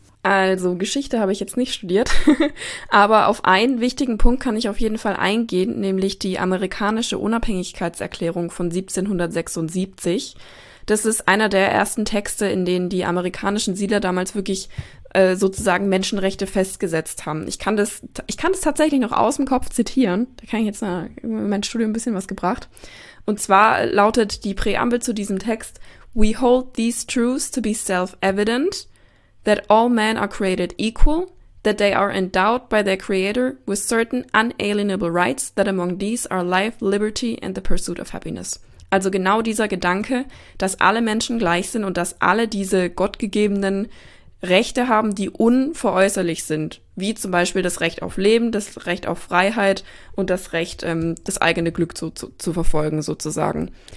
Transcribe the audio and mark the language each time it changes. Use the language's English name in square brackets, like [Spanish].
[German] Also Geschichte habe ich jetzt nicht studiert, aber auf einen wichtigen Punkt kann ich auf jeden Fall eingehen, nämlich die amerikanische Unabhängigkeitserklärung von 1776. Das ist einer der ersten Texte, in denen die amerikanischen Siedler damals wirklich sozusagen Menschenrechte festgesetzt haben. Ich kann das tatsächlich noch aus dem Kopf zitieren, da kann ich jetzt in mein Studium ein bisschen was gebracht. [English] Und zwar lautet die Präambel zu diesem Text: We hold these truths to be self-evident, that all men are created equal, that they are endowed by their creator with certain unalienable rights, that among these are life, liberty and the pursuit of happiness. [German] Also genau dieser Gedanke, dass alle Menschen gleich sind und dass alle diese gottgegebenen Rechte haben, die unveräußerlich sind, wie zum Beispiel das Recht auf Leben, das Recht auf Freiheit und das Recht, das eigene Glück zu verfolgen sozusagen.